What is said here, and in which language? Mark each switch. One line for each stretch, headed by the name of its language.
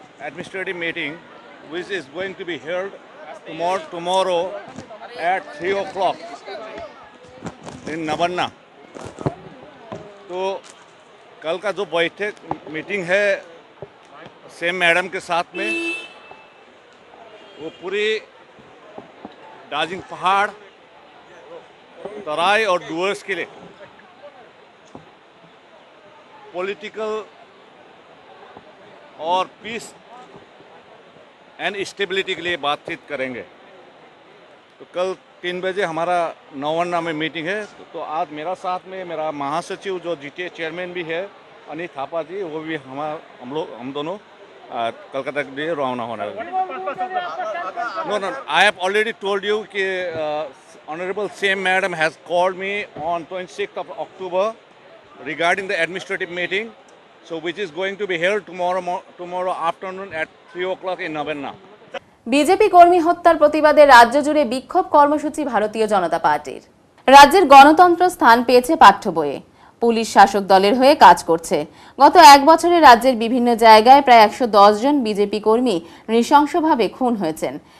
English: Administrative meeting which is going to be held tomorrow at 3 o'clock in Navanna.
Hindi: तो कल का जो बैठक मीटिंग है सेम मैडम के साथ में वो पूरी दार्जिलिंग पहाड़ तराई और डुअर्स के लिए पॉलिटिकल और
English: peace and stability
Hindi: के लिए बातचीत करेंगे। तो कल 3 बजे हमारा नवन्ना में मीटिंग है। तो आज मेरा साथ में मेरा महासचिव जो जीटीए चेयरमैन भी है अनित थापा जी, वो भी हम दोनों कलकत्ता के लिए रवाना होना है।
English: I have already told you कि honourable CM madam has called me on 26th of October regarding the administrative meeting so which is going to be held tomorrow afternoon at 3 o'clock in Navanna.
Bangla: BJP কর্মী হত্যার প্রতিবাদে রাজ্য জুড়ে বিক্ষোভ কর্মসূচি ভারতীয় জনতা পার্টির। রাজ্যের গণতন্ত্র স্থান পেয়েছে পাঠ্যবইয়ে, পুলিশ শাসক দলের হয়ে কাজ করছে। গত 1 বছরে রাজ্যের বিভিন্ন জায়গায় প্রায় 110 জন বিজেপি কর্মী নৃশংসভাবে খুন হয়েছেন।